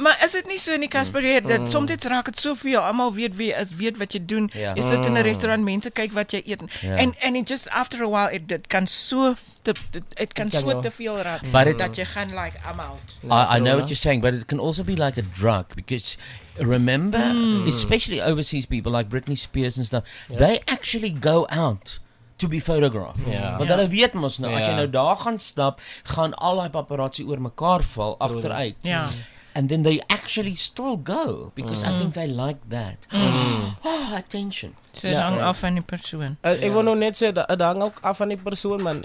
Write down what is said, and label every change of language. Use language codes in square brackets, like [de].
[af] Maar is dit nie so nie, Kasper, dat soms raak het so vir jou, almal weet wie is, weet wat jy doen. Jy sit in 'n restaurant, mense kyk wat jy eet. [en] And it just after a while, it can feel that you're like, I'm out. I know what you're saying, but it can also be like a drug, because remember, especially overseas people like Britney Spears and stuff, they actually go out to be photographed. Yeah. [af] Want hulle weet mos nou, as jy nou daar gaan stap, gaan al die paparazzi oor mekaar val agteruit. [en] Yeah. And then they actually still go, because I think they like that. Oh, attention. [af] So it hang af van die persoon. Ek wil nou net sê, dat hang ook af van die persoon, man.